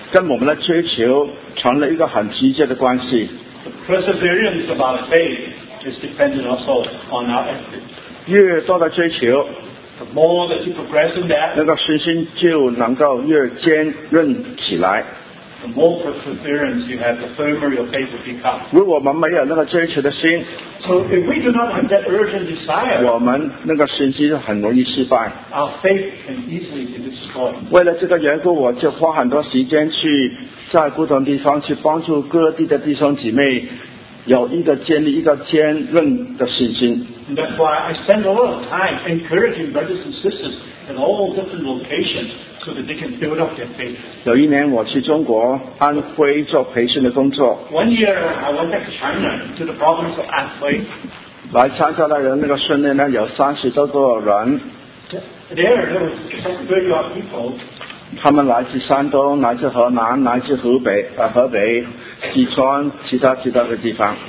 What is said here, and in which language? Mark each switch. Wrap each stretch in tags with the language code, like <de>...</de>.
<zh>跟我们的追求成了一个很直接的关系</zh> <en>The perseverance of our faith is dependent also on our efforts</en> <zh>越多的追求</zh> <en>The more that you progress in that</en> <zh>那个信心就能够越坚韧起来</zh> <en>the more perseverance you have, the firmer your faith will become.</en> <zh>如果我们没有那个追求的心,</zh> <en>so if we do not have that urgent desire,</en> <zh>我们那个信心很容易失败,</zh> <en>our faith can easily be destroyed.</en> <zh>为了这个缘故, 我就花很多时间去, 在不同地方去帮助各地的弟兄姐妹, 有一个建立一个坚韧的信心。</zh> <en>And that's why I spend a lot of time encouraging brothers and sisters in all different locations so that they can build up their faith.</en> <zh>有一年我去中国安徽做培训的工作。</zh> <en>One year I went back to China to the province of Anhui.</en> <zh>来参加的人那个训练呢, 有30多个人。</zh> <en>There there were some 30 odd people.</en> <zh>他们来自山东, 来自河南, 来自河北, 河北, 西川, 其他的地方,</zh>